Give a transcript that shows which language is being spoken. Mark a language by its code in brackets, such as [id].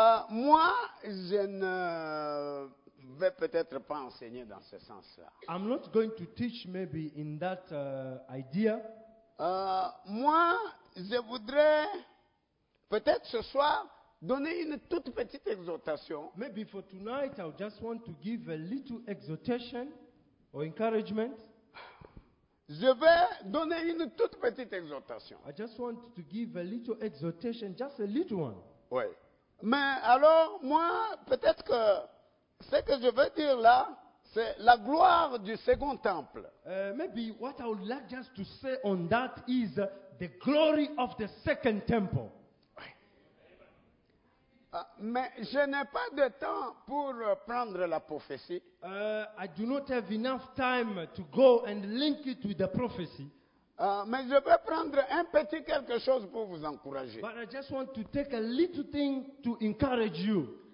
[fr] Moi, je ne vais peut-être pas enseigner dans ce sens-là. [en] I'm not going to teach maybe in that idea. [fr] Moi, je voudrais peut-être ce soir donner une toute petite exhortation. [en] Maybe for tonight, I just want to give a little exhortation or encouragement. [fr] Je vais donner une toute petite exhortation. [en] I just want to give a little exhortation, just a little one. [fr] Oui. Mais alors, moi, peut-être que ce que je veux dire là, c'est la gloire du second temple. [en] Maybe what I would like just to say on that is the glory of the second temple. [fr] Mais je n'ai pas de temps pour prendre la prophétie. [en] I do not have enough time to go and link it with the prophecy. [fr] Mais je vais prendre un petit quelque chose pour vous encourager. [en] But I just want to take a little thing to encourage you.